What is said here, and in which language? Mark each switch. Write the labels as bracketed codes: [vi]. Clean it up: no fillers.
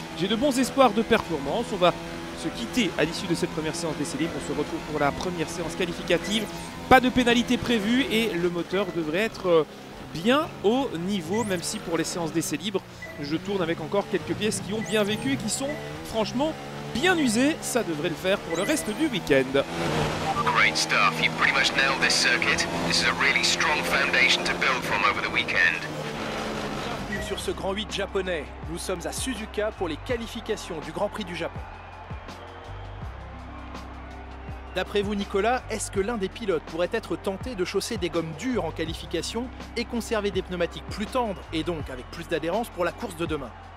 [fr] J'ai de bons espoirs de performance. On va se quitter à l'issue de cette première séance d'essai libre. On se retrouve pour la première séance qualificative. Pas de pénalité prévue et le moteur devrait être bien au niveau, même si pour les séances d'essai libre, je tourne avec encore quelques pièces qui ont bien vécu et qui sont franchement bien usées. Ça devrait le faire pour le reste du week-end. [en] Great stuff, you've pretty much nailed this circuit. This is a really strong foundation to build from over the weekend. [fr] Bienvenue sur ce Grand 8 japonais. Nous sommes à Suzuka pour les qualifications du Grand Prix du Japon. D'après vous, Nicolas, est-ce que l'un des pilotes pourrait être tenté de chausser des gommes dures en qualification et conserver des pneumatiques plus tendres et donc avec plus d'adhérence pour la course de demain?